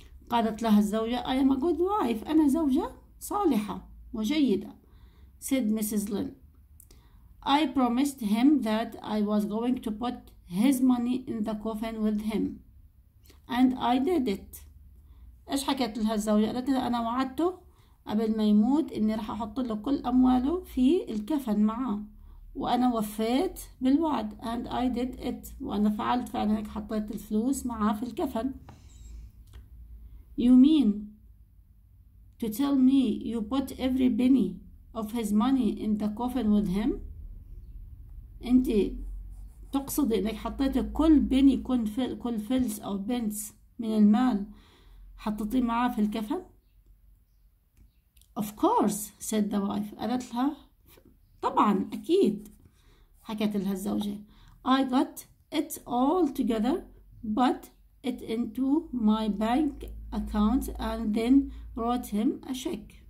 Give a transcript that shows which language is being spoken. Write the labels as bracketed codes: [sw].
[ar] قالت لها الزوجة, [en] I am a good wife. [ar] أنا زوجة صالحة وجيدة. [en] Said Mrs. Lin, I promised him that I was going to put his money in the coffin with him. And I did it. [ar] إيش حكت لها الزوجة؟ قالت لها, أنا وعدته قبل ما يموت إني رح أحط له كل أمواله في الكفن معه. وأنا وفيت بالوعد. [en] And I did it. [ar] وأنا فعلت فعلا هيك, حطيت الفلوس معه في الكفن. [en] You mean to tell me you put every penny of his money in the coffin with him? [ar] أنت تقصد إنك حطيت كل بني كل فلس أو بنس من المال حطيتي معاه في الكفن؟ [en] Of course, said the wife. [ar] قالت لها, طبعا أكيد, حكت لها الزوجة. [en] I got it all together, but it into my bank account and then wrote him a check.